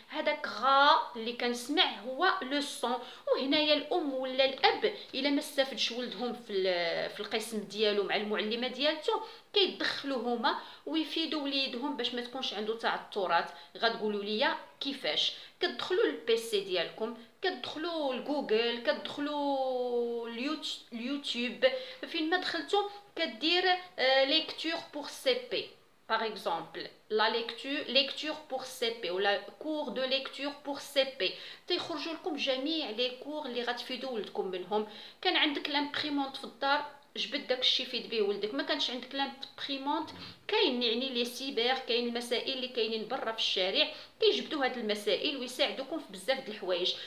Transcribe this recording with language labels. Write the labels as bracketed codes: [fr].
[ar] هذاك غا اللي كنسمع هو لو سون. وهنايا الام ولا الاب الا ما استفدش ولدهم في القسم ديالو مع المعلمه ديالتو كيدخلو هما ويفيدوا وليدهم باش ما تكونش عنده تعثرات. غتقولوا ليا كيفاش؟ كتدخلوا للبيسي ديالكم، كتدخلوا لجوجل، كتدخلوا اليوتيوب، فين ما دخلتوا كدير [fr] ليكتور بور سي بي، Par exemple, la lecture, lecture pour CP ou la cours de lecture pour CP. [ar] تيخرجوا لكم جميع لي كور اللي غتفيدوا ولدكم منهم. كان عندك لامبريمونت في الدار، جبد داكشي فيد بيه ولدك. ما كانش عندك لامبريمونت، كاين يعني لي سيبر، كاين المسائل اللي كاينين برا في الشارع، كيجبدوا هاد المسائل ويساعدوكم في بزاف د الحوايج.